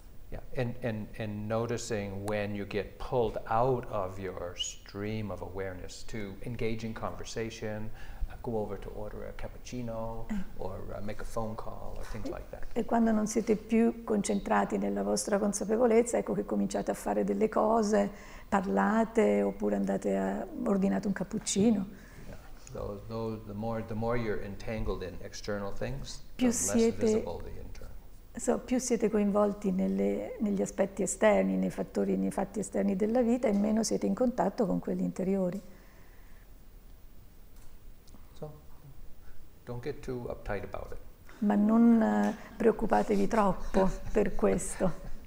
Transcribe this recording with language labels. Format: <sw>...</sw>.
<en>Yeah, and noticing when you get pulled out of your stream of awareness to engage in conversation, go over to order a cappuccino or make a phone call or things like that.</en> <it>E quando non siete più concentrati nella vostra consapevolezza, ecco che cominciate a fare delle cose, parlate oppure andate a ordinate un cappuccino.</it> <en>Yeah. So the more you're entangled in external things, the less visible the internal.</en> <it>So, più siete coinvolti negli aspetti esterni, nei fattori, nei fatti esterni della vita, e meno siete in contatto con quelli interiori.</it> <en>So, don't get too uptight about it.</en> <it>Ma non preoccupatevi troppo per questo.</it>